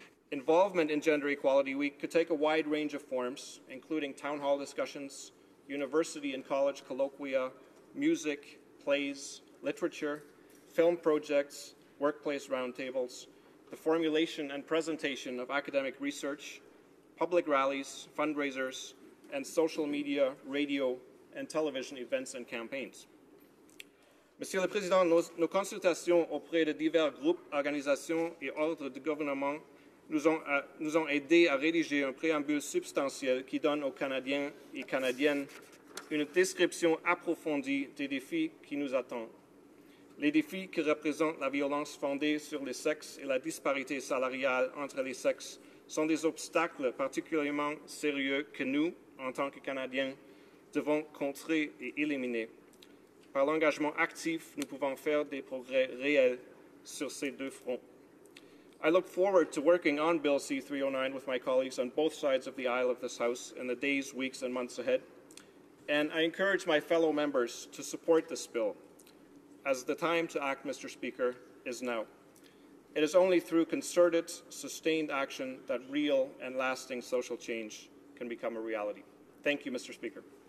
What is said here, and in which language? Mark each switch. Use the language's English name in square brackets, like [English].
[English] Involvement in Gender Equality Week could take a wide range of forms, including town hall discussions, university and college colloquia, music, plays, literature, film projects, workplace roundtables, the formulation and presentation of academic research, public rallies, fundraisers, and social media, radio, and television events and campaigns. [French] Monsieur le Président, nos consultations auprès de divers groupes, organisations et ordres du gouvernement nous ont aidé à rédiger un préambule substantiel qui donne aux Canadiens et Canadiennes une description approfondie des défis qui nous attendent. Les défis que représente la violence fondée sur les sexes et la disparité salariale entre les sexes sont des obstacles particulièrement sérieux que nous, en tant que Canadiens, devons contrer et éliminer. Par l'engagement actif, nous pouvons faire des progrès réels sur ces deux fronts. [English] I look forward to working on Bill C-309 with my colleagues on both sides of the aisle of this House in the days, weeks, and months ahead. And I encourage my fellow members to support this bill, as the time to act, Mr. Speaker, is now. It is only through concerted, sustained action that real and lasting social change can become a reality. Thank you, Mr. Speaker.